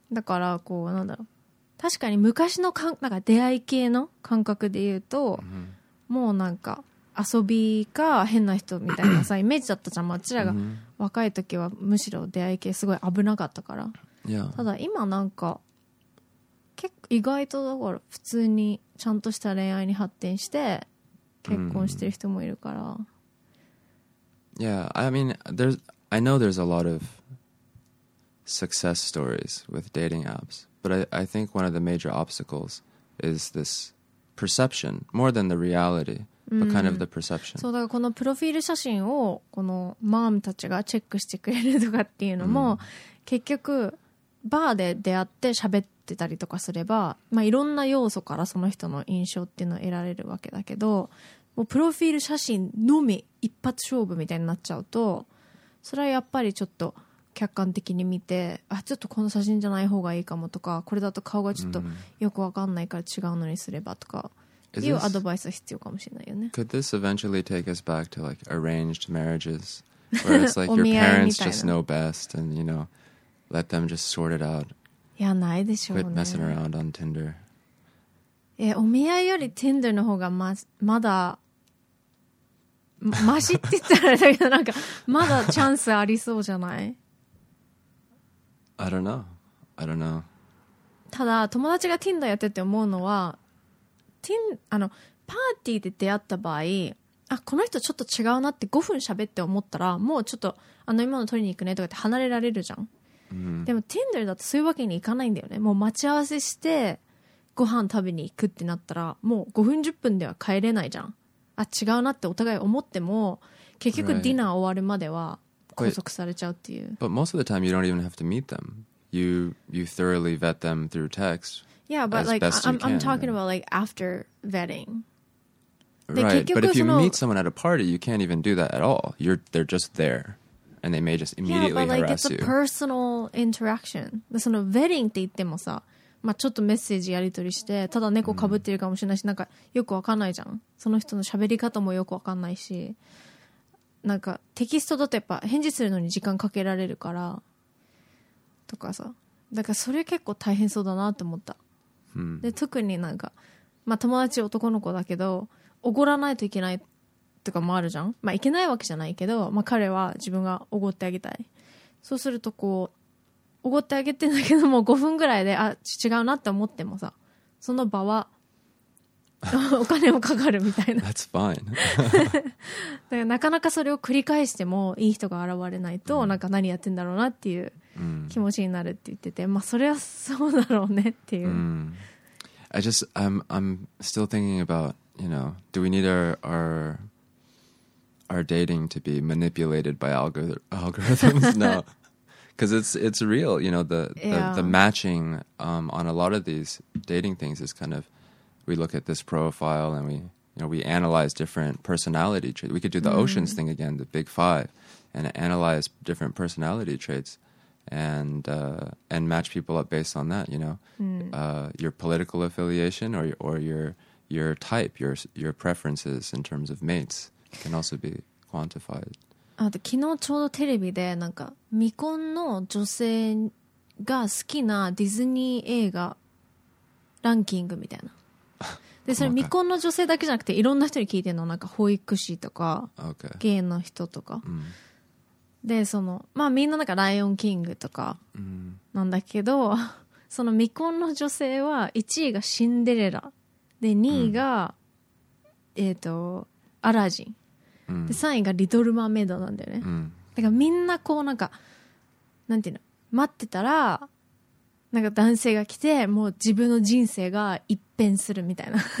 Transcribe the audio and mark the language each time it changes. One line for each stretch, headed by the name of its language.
Japanese: だからこうなんだろう確かに昔のかなんか出会い系の感覚で言うと、うん、もうなんか遊びか変な人みたいなさイメージだったじゃん、まあ、ちらが若い時はむしろ出会い系すごい危なかったから、 yeah. ただ今なんか結構意外とだから普通にちゃんとした恋愛に発展して結婚してる人もいるから、う
English: ん、Yeah, I mean, I know there's a lot ofsuccess stories with dating apps. But I think one of the major obstacles is this perception, more than the reality, but kind of the perception.
Japanese: そうだからこのプロフィール写真をこのマームたちがチェックしてくれるとかっていうのも、うん、結局バーで出会って喋ってたりとかすれば、まあ、いろんな要素からその人の印象っていうのを得られるわけだけど、もうプロフィール写真のみ一発勝負みたいになっちゃうと、それはやっぱりちょっと客観的に見て、あ、ちょっとこの写真じゃない方がいいかもとか、これだと顔がちょっとよくわかんないから違うのにすればとか、いうアドバイスは必要かもしれないよね。
English: Could this eventually take us back to like arranged marriages, where it's like your parents just know best and you know, let them just sort it out?
Japanese: いや、ないでしょうね。
English: Quit messing around on Tinder.
Japanese: お見合いより Tinder の方がまだ。マシって言ったらだけど、なんかまだチャンスありそうじゃない？
English: I don't know.
Japanese: ただ友達が Tinder やってて思うのは、パーティーで出会った場合、あ、この人ちょっと違うなって5分喋って思ったら、もうちょっと飲み物取りに行くねとかって離れられるじゃん、うん、でも Tinder だとそういうわけにいかないんだよね。もう待ち合わせしてご飯食べに行くってなったら、もう5分10分では帰れないじゃん。あ、違うなってお互い思っても、結局ディナー終わるまでは、right.
English: Wait, but most of the time, you don't even have to meet them. You thoroughly vet them through text. Yeah, but like I'm talking about like after vetting. Right, but if you meet someone at a party, you can't even do that at all. They're just there, and they may just immediately harass you. Yeah, but like it's a personal interaction.
Japanese: そのベリングって言ってもさ、まあちょっとメッセージやり取りして、ただ猫かぶってるかもしれないし、なんかよくわかんないじゃん。その人の喋り方もよくわかんないし。なんかテキストだとやっぱ返事するのに時間かけられるからとかさ、だからそれ結構大変そうだなって思った、 hmm. で特になんか、まあ、友達男の子だけど、おごらないといけないとかもあるじゃん、まあ、いけないわけじゃないけど、まあ、彼は自分がおごってあげたい、そうするとこうおごってあげてんだけど、もう5分ぐらいで、あ、違うなって思ってもさ、その場はお金もかかるみたいな。
English: That's fine.
Japanese: だからなかなかそれを繰り返してもいい人が現れないと、なんか何やってんだろうなっていう気持ちになるって言ってて、まあそれはそうだろうねっていう。 Mm.
English: I just, I'm still thinking about, you know, do we need our dating to be manipulated by algorithms? No. Because it's real, you know, the matching on a lot of these dating things is kind of, we look at this profile and we, you know, we analyze different personality traits. We could do the oceans thing again, the big five, and analyze different personality traits and match people up based on that, you know, your political affiliation or your type, your preferences in terms of mates can also be quantified.
Japanese: あと昨日ちょうどテレビでなんか未婚の女性が好きなディズニー映画ランキングみたいな。でそれ未婚の女性だけじゃなくていろんな人に聞いてるの、なんか保育士とか、 okay. ゲイの人とか、でそのまあみんななんかライオンキングとかなんだけど、その未婚の女性は1位がシンデレラで2位が、アラジンで3位がリトルマーメイドなんだよね、だからみんなこうなんかなんていうの、待ってたらなんか男性が来てもう自分の人生が一変するみたいな。